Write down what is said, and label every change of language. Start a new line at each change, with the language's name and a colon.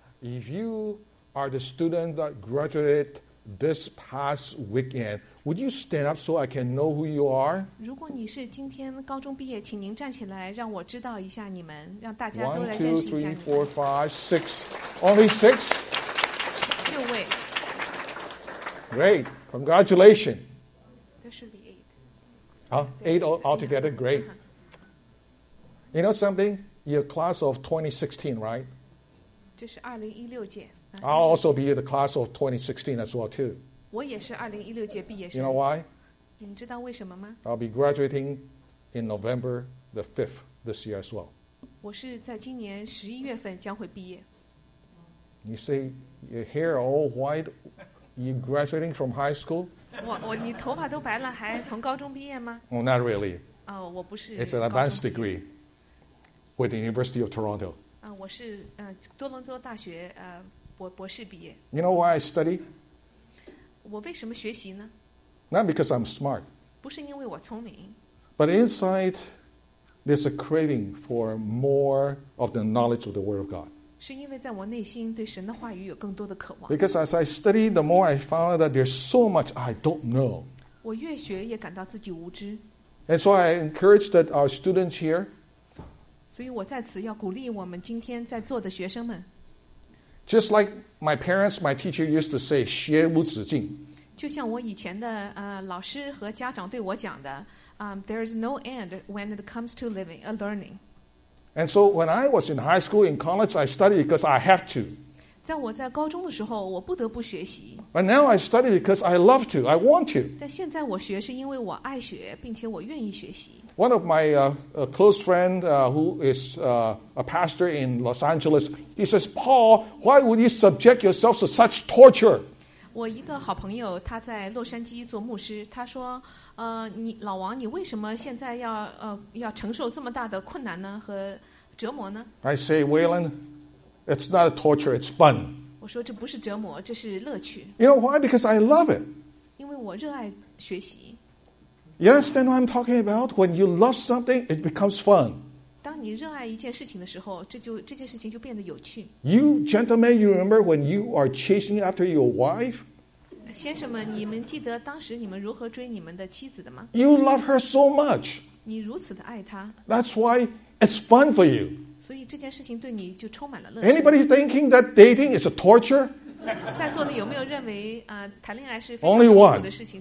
English: If you are the student that graduated this past weekend, would you stand up so I can know who you are?
Chinese: 如果你是今天高中毕业，请您站起来，让我知道一下你们，让大家都来认识一下你们。
English: 1, 2, 3, 4, 5, 6. Only 6?
Chinese: 6位。
English: Great. Congratulations. There should be 8. Huh? 8 altogether? Great. You know something? Your class of 2016, right?
Chinese: 这是2016届。
English: I'll also be the class of 2016 as well, too.
Chinese: 我也是2016届毕业生。
English: You know why?
Chinese: 你知道为什么吗?
English: I'll be graduating in November the 5th this year as well.
Chinese: 我是在今年11月份将会毕业。
English: You see, your hair all white, you graduating from high school?
Chinese: 你头发都白了，还从高中毕业吗?
English: Oh, not really.
Chinese: Oh, 我不是。
English: It's an advanced degree with the University of Toronto.
Chinese: 我是多伦多大学博士毕业。
English: You know why I study?
Chinese: 我为什么学习呢?
English: Not because I'm smart.
Chinese: 不是因为我聪明。
English: But inside, there's a craving for more of the knowledge of the Word of God.
Chinese: 是因为在我内心对神的话语有更多的渴望。
English: Because as I study, the more I found that there's so much I don't know.
Chinese: 我越学也感到自己无知。
English: And so I encourage that our students here,
Chinese: 所以我在此要鼓励我们今天在座的学生们。
English: Just like my parents, my teacher used to say,
Chinese: 学无止境。就像我以前的老师和家长对我讲的,
English: there is no end when it comes to living, learning. And so when I was in high school, in college, I studied because I have to.
Chinese: 在我在高中的时候, 我不得不学习。
English: But now I study because I love to, I want to.
Chinese: 但现在我学是因为我爱学, 并且我愿意学习。
English: One of my close friends who is a pastor in Los Angeles, he says, Paul, why would you subject yourself to such torture?
Chinese: 我一个好朋友他在洛杉矶做牧师，他说， 老王，你为什么现在要承受这么大的困难呢和折磨呢？
English: I say, Waylon, it's not a torture, it's fun.
Chinese: 我说这不是折磨，这是乐趣。
English: You know why? Because I love it.
Chinese: 因为我热爱学习。
English: You understand what I'm talking about? When you love something, it becomes fun.
Chinese: 当你热爱一件事情的时候，这件事情就变得有趣。
English: You gentlemen, you remember when you are chasing after your wife?
Chinese: 先生们，你们记得当时你们如何追你们的妻子的吗？
English: You love her so much.
Chinese: 你如此的爱她。
English: That's why it's fun for you.
Chinese: 所以这件事情对你就充满了乐趣。
English: Anybody thinking that dating is a torture?
Chinese: 在座的有没有认为, 谈恋爱是非常苦的事情?